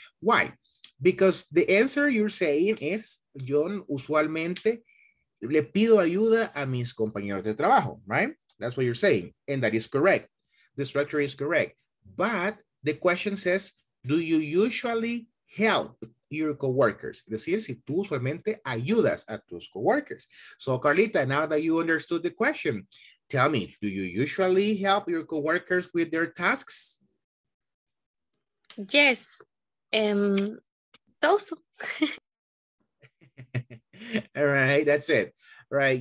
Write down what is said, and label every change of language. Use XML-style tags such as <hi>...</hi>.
<en>Why? Because the answer you're saying is,</en> <es>yo usualmente le pido ayuda a mis compañeros de trabajo,</es> <en>right? That's what you're saying. And that is correct. The structure is correct. But the question says, do you usually help your coworkers?</en> <es>Es decir, si tú usualmente ayudas a tus coworkers.</es> <en>So Carlita, now that you understood the question, tell me, do you usually help your coworkers with their tasks? Yes. Also. All right, that's it. Right.</en>